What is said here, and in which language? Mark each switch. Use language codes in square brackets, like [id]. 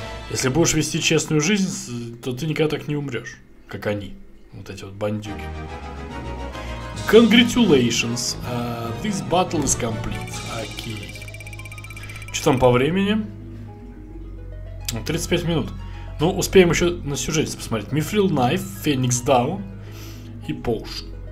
[ru] Если будешь вести честную жизнь, то ты никогда так не умрешь, как они. Вот эти вот бандюки. [en] Congratulations, this battle is complete. Окей. [ru] Что там по времени? 35 минут. Ну, успеем еще на сюжете посмотреть. Мифрил Найф, Феникс Дау и Поуш.